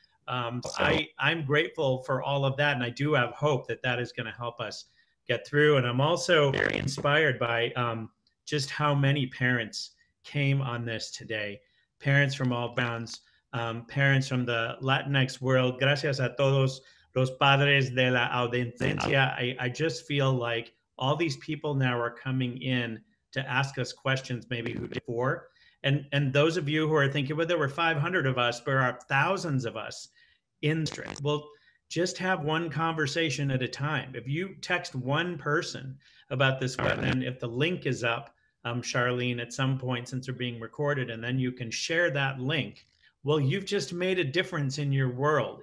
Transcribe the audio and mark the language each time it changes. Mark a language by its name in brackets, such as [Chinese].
[English] I'm grateful for all of that. And I do have hope that that is going to help us get through. And I'm also very inspired by just how many parents came on this today. Parents from all bounds, parents from the Latinx world. [Spanish] Gracias a todos los padres de la audiencia. [English] I just feel like all these people now are coming in to ask us questions maybe before. And those of you who are thinking, well, there were 500 of us, there are thousands of us in the district. Well, just have one conversation at a time. If you text one person about this question, if the link is up, Charlene, at some point since they're being recorded, and then you can share that link, well, you've just made a difference in your world.